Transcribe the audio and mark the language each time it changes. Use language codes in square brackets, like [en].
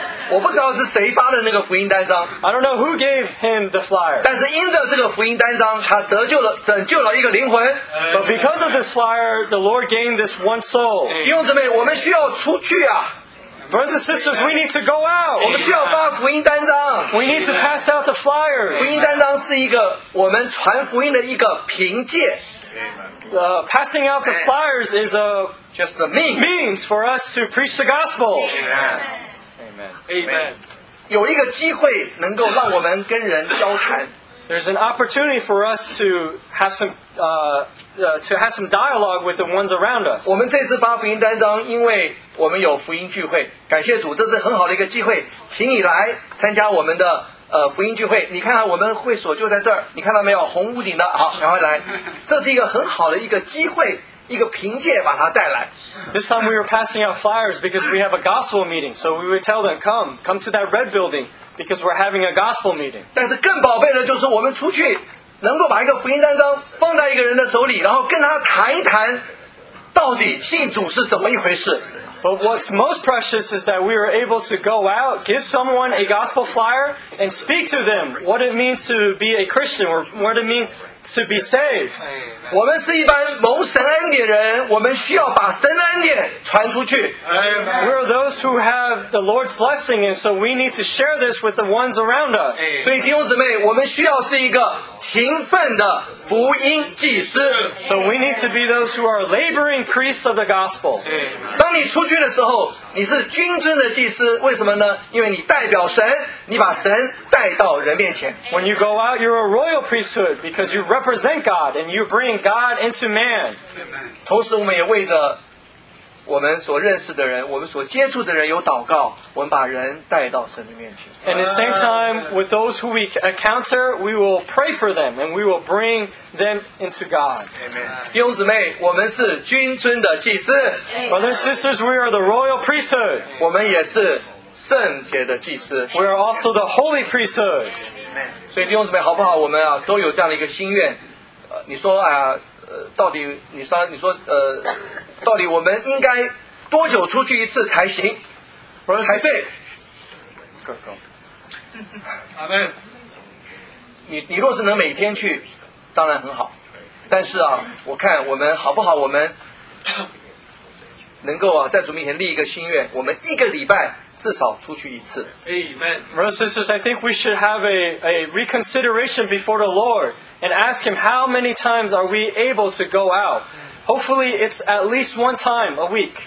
[zh] 我不知道是谁发的那个福音单张。 [en] I don't know who gave him the flyer. [zh] 但是因着这个福音单张，他得救了，拯救了一个灵魂。 [en] But because of this flyer, the Lord gained this one soul. [zh] 弟兄姊妹，我们需要出去啊。 [en] Brothers and sisters, we need to go out. [zh] 我们需要发福音单张。 [en] We need to pass out the flyers. [zh] 福音单张是一个我们传福音的一个凭借。 [en] Passing out the flyers is a just the means. Means for us to preach the gospel. Amen. Amen. Amen. There's an opportunity for us to have some dialogue with the ones around us. [zh] 我们这次发福音单张，因为我们有福音聚会，感谢主，这是很好的一个机会，请你来参加我们的福音聚会。你看看我们会所就在这儿，你看到没有？红屋顶的，好，赶快来，这是一个很好的一个机会。一个凭借把他带来。 [en] This time we were passing out flyers because we have a gospel meeting. So we would tell them, come to that red building because we're having a gospel meeting. [zh] 但是更宝贝的就是我们出去能够把一个福音单张放在一个人的手里，然后跟他谈一谈到底信主是怎么一回事。 [en] But what's most precious is that we were able to go out, give someone a gospel flyer, and speak to them what it means to be a Christian, or what it means to be saved. [zh] 我们是一般蒙神恩典人，我们需要把神恩典传出去。 [en] We are those who have the Lord's blessing, and so we need to share this with the ones around us. [zh] 所以弟兄姊妹，我们需要是一个勤奋的福音祭司。 [en] So we need to be those who are laboring priests of the gospel. [zh] 当你出去的时候，你是君尊的祭司，为什么呢？因为你代表神，你把神带到人面前。 [en] When you go out, you're a royal priesthood because you represent God and you bring God into man. [zh] 同时，我们也为着我们所认识的人，我们所接触的人有祷告，我们把人带到神的面前。 [en] And at the same time, with those who we encounter, we will pray for them and we will bring them into God. Amen. [zh] 弟兄姊妹，我们是君尊的祭司。 [en] Brothers and sisters, we are the royal priesthood. [zh] 我们也是圣洁的祭司。 [en] We are also the holy priesthood. [zh] 所以弟兄姊妹，好不好？我们啊，都有这样的一个心愿。你说啊，到底你说到底我们应该多久出去一次才行？才对。阿门。你若是能每天去，当然很好。但是啊，我看我们好不好？我们能够啊，在主面前立一个心愿，我们一个礼拜至少出去一次。 [en] Amen. Brothers and sisters, I think we should have a reconsideration before the Lord and ask Him how many times are we able to go out. Hopefully, it's at least one time a week.